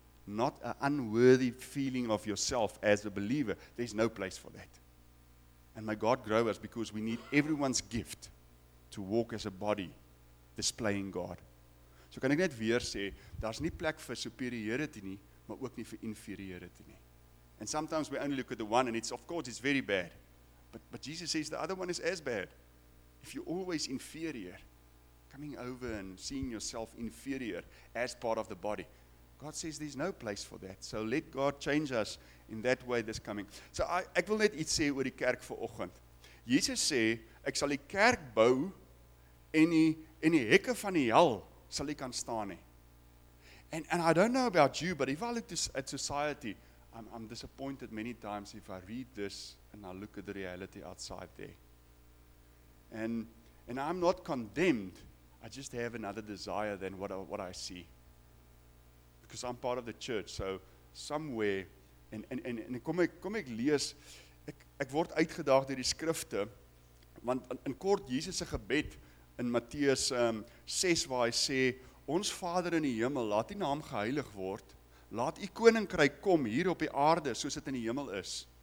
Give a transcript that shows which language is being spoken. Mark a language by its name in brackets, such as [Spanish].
[English] Not an unworthy feeling of yourself as a believer. There's no place for that. And may God grow us because we need everyone's gift to walk as a body displaying God. [Afrikaans] So kan ek net weer sê, daar's nie plek vir superiority nie, maar ook nie vir inferiority nie. [English] And sometimes we only look at the one and it's, of course, it's very bad. But Jesus says the other one is as bad. If you're always inferior, coming over and seeing yourself inferior as part of the body, God says there's no place for that. So let God change us in that way that's coming. [Afrikaans] So ek wil net iets sê oor die kerk vir oggend. Jesus sê, ek sal die kerk bou en die hekke van die hel sal ek kan staan nie. [English] And I don't know about you, but if I look at society, I'm disappointed many times if I read this and I look at the reality outside there. And I'm not condemned. I just have another desire than what I see. Because I'm part of the church, so somewhere, [Afrikaans] kom ek lees, ek word uitgedaag deur die skrifte, want in kort, Jesus se gebed in Matteus 6, waar hy sê, ons Vader in die hemel, laat die naam geheilig word, laat die koninkryk kom hier op die aarde, soos het in die hemel is.